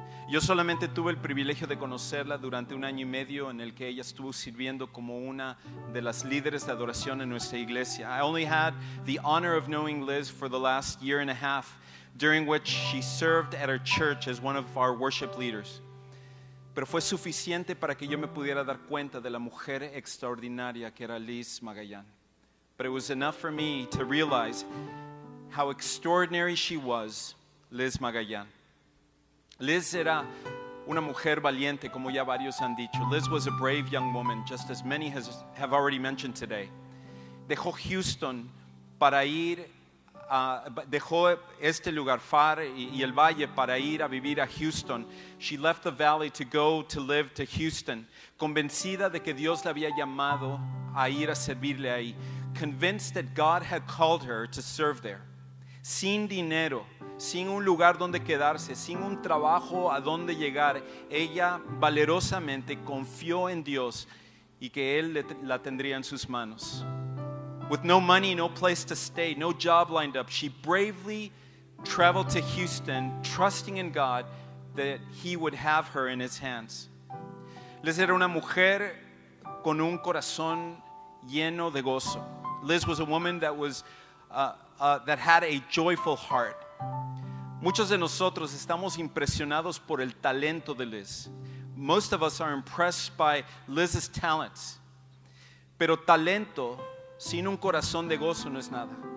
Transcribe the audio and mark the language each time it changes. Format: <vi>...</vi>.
<es>Yo solamente tuve el privilegio de conocerla durante un año y medio en el que ella estuvo sirviendo como una de las líderes de adoración en nuestra iglesia.</es> <en>I only had the honor of knowing Liz for the last year and a half, during which she served at her church as one of our worship leaders.</en> <es>Pero fue suficiente para que yo me pudiera dar cuenta de la mujer extraordinaria que era Liz Magallan.</es> <en>But it was enough for me to realize how extraordinary she was, Liz Magallan.</en> <es>Liz era una mujer valiente, como ya varios han dicho.</es> <en>Liz was a brave young woman, just as many have already mentioned today.</en> <es>Dejó Houston para ir, dejó este lugar, Far y el Valle, para ir a vivir a Houston.</es> <en>She left the valley to go to live to Houston,</en> <es>convencida de que Dios la había llamado a ir a servirle ahí.</es> <en>Convinced that God had called her to serve there.</en> <es>Sin dinero, sin un lugar donde quedarse, sin un trabajo a donde llegar, ella valerosamente confió en Dios y que Él la tendría en sus manos.</es> <en>With no money, no place to stay, no job lined up, she bravely traveled to Houston, trusting in God that He would have her in His hands.</en> <es>Liz era una mujer con un corazón lleno de gozo.</es> <en>Liz was a woman that was that had a joyful heart.</en> <es>Muchos de nosotros estamos impresionados por el talento de Liz.</es> <en>Most of us are impressed by Liz's talents.</en> <es>Pero talento sin un corazón de gozo no es nada.</es>